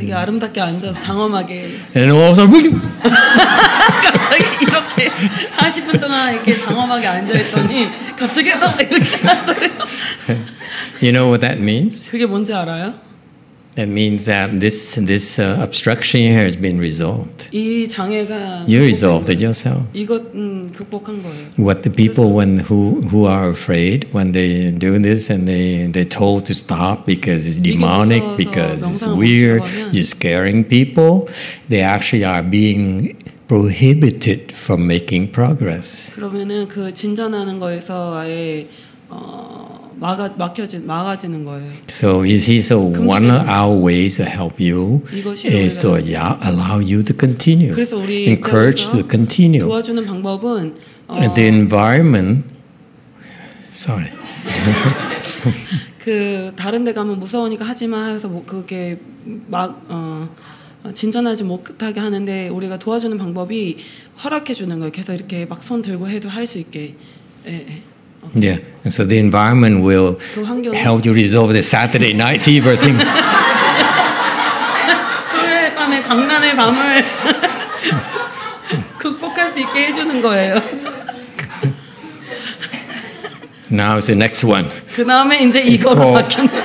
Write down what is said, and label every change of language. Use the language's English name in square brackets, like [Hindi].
[Korean] 되게 아름답게 앉아서 장엄하게. [English] And all of a sudden, [Korean] 갑자기 이렇게 40분 동안 이렇게 장엄하게 앉아있더니 갑자기 또 이렇게 앉더래요. [English] You know what that means? [Korean] 그게 뭔지 알아요? [English] That means that this obstruction here has been resolved. [Korean] 이 장애가 [English] you resolved it yourself. [Korean] 이것 극복한 거예요. [English] What the people when who are afraid when they do this and they told to stop because it's demonic, because it's weird, you're scaring people, they actually are being prohibited from making progress. [Korean] 그러면은 그 진전하는 거에서 아예 막아지는 거예요. [English] So you see, so [Korean] 금지되는. [English] One of our ways to help you is to allow you to continue. [Korean] 그래서 우리 [English] encourage to continue. [Korean] 도와주는 방법은 [English] the environment. Sorry. [Korean] 그 다른 데 가면 무서우니까 하지 마 해서 그게 막 진전하지 못하게 하는데 우리가 도와주는 방법이 허락해 주는 거예요. 계속 이렇게 막 손 들고 해도 할 수 있게. 예. [English] Okay. Yeah, and so the environment will help you resolve the Saturday night fever thing. [Korean] 토요일 밤에 광란의 밤을 극복할 수 있게 해주는 거예요. [English] Now is the next one. [Korean] 그 다음에 이제 이거 바뀐